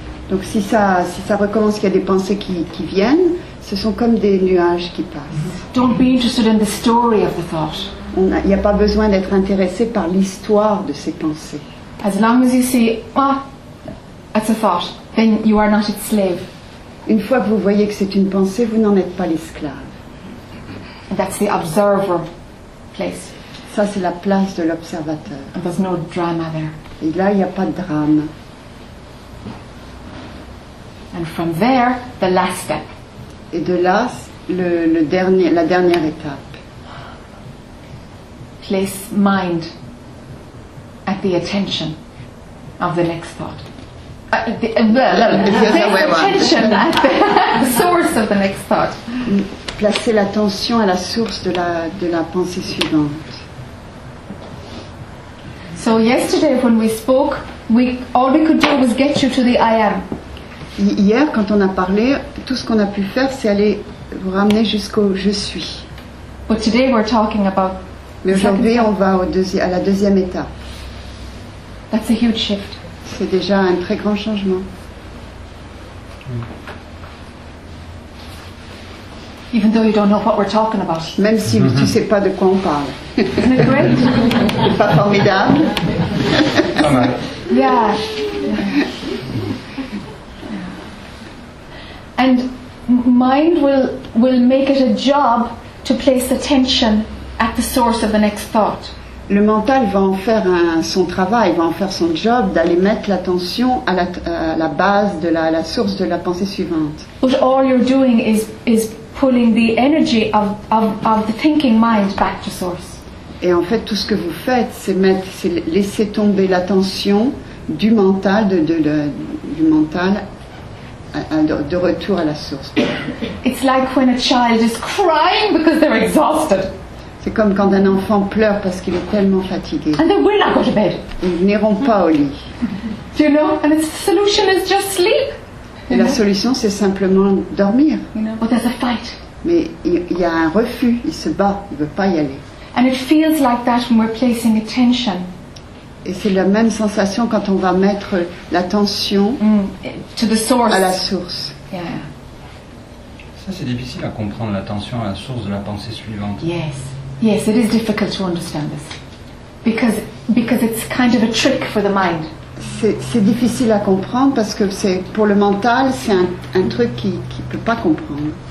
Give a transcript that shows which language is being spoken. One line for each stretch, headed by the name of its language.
French: Donc si ça recommence, qu'il y a des pensées qui viennent. Ce sont comme des nuages qui passent.
English: Don't be interested in the story of the thought.
French: Il n'y a pas besoin d'être intéressé par l'histoire de ces pensées.
English: As long as you see, ah, that's a thought, then you are not its slave.
French: Une fois que vous voyez que c'est une pensée, vous n'en êtes pas l'esclave.
English: And that's the observer place.
French: Ça, c'est la place de l'observateur.
English: And there's no drama there.
French: Et là, il n'y a pas de drame.
English: And from there, the last step.
French: Et de là, la dernière étape.
English: Place mind at the attention of the next thought. The source of the next thought.
French: Placer l'attention à la source de la pensée suivante.
English: So yesterday when we spoke, all we could do was get you to the I am.
French: Hier, quand on a parlé, tout ce qu'on a pu faire, c'est aller vous ramener jusqu'au « je suis ».
English: But today we're talking about.
French: Mais aujourd'hui, on va à la deuxième étape.
English: That's a huge shift.
French: C'est déjà un très grand changement. Mm.
English: Even though you don't know what we're talking about.
French: Même si mm-hmm. tu ne sais pas de quoi on parle.
English: Isn't it great?
French: C'est pas formidable. Oh, yeah.
English: And mind will make it a job to place attention at the source of the next thought.
French: Le mental va en faire son travail, va en faire son job d'aller mettre l'attention à la base de la source de la pensée suivante.
English: But all you're doing is pulling the energy of the thinking mind back to source.
French: Et en fait, tout ce que vous faites, c'est laisser tomber l'attention du mental du mental. De retour à la source.
English: It's like when a child is crying because they're exhausted.
French: C'est comme quand un enfant pleure parce qu'il est tellement fatigué.
English: And they will not go to bed.
French: Ils n'iront pas au lit.
English: You know, and the solution is just sleep.
French: Et la solution, c'est simplement dormir.
English: You know, but there's a fight.
French: Mais il y a un refus, il se bat, il ne veut pas y aller.
English: And it feels like that when we're placing attention.
French: Et c'est la même sensation quand on va mettre l'attention
English: to the source.
French: À la source. Yeah. Ça, c'est difficile à comprendre, l'attention à la source de la pensée suivante.
English: Yes, yes, it is difficult to understand this. Because it's kind of a trick for the mind.
French: C'est difficile à comprendre parce que c'est pour le mental, c'est un truc qui peut pas comprendre.